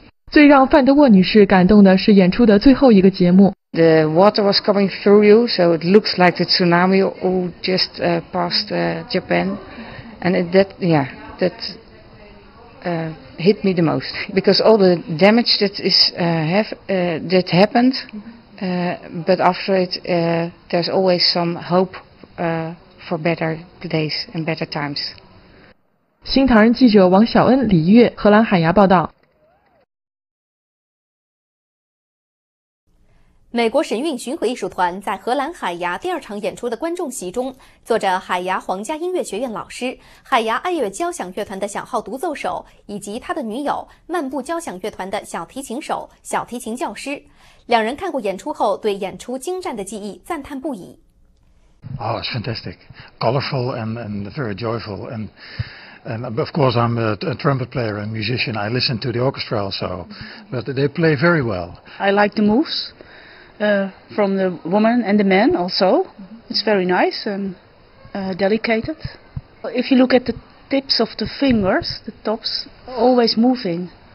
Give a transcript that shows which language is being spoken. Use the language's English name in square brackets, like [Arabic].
[Chinese] 最让范德沃女士感动的是演出的最后一个节目。 [English] The water was coming through you, so it looks like the tsunami all just passed Japan. And that hit me the most. Because all the damage that is that happened, but after it, there's always some hope for better days and better times. [Chinese] 新唐人记者王小恩、李月，荷兰海牙报道。美国神韵巡回艺术团在荷兰海牙第二场演出的观众席中，坐着海牙皇家音乐学院老师、海牙爱乐交响乐团的小号独奏手，以及他的女友漫步交响乐团的小提琴手、小提琴教师。两人看过演出后，对演出精湛的技艺赞叹不已。 [English] Oh, it's fantastic, colorful and very joyful and. And of course, I'm a trumpet player and musician. I listen to the orchestra also, but they play very well. I like the moves from the woman and the man also. It's very nice and delicated. If you look at the tips of the fingers, the tops, always moving.